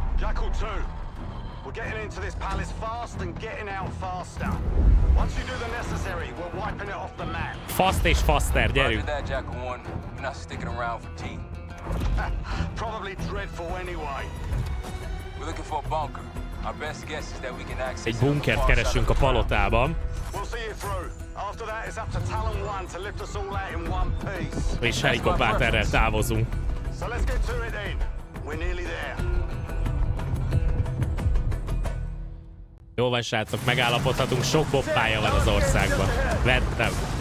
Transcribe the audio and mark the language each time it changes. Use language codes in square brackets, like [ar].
[en] Jackal 2, we're getting into this palace fast and getting out faster. Once you do the necessary, we're wiping it off the map. [hu] Fast és faster, gyerünk. [en] Roger that, Jackal 1. You're not sticking around for tea. Probably dreadful anyway. We're looking for a bunker. Our best guess is that we can access. [hu] Egy bunkert keresünk a palotában. [en] We'll see you through. After that, it's up to Talon 1 to lift us all out in one piece. [hu] És helikopterrel távozunk. [en] So let's get to it then. We're nearly there. [hu] Jó van, srácok, megállapodhatunk, sok Bob pálya van az országban. Vettem.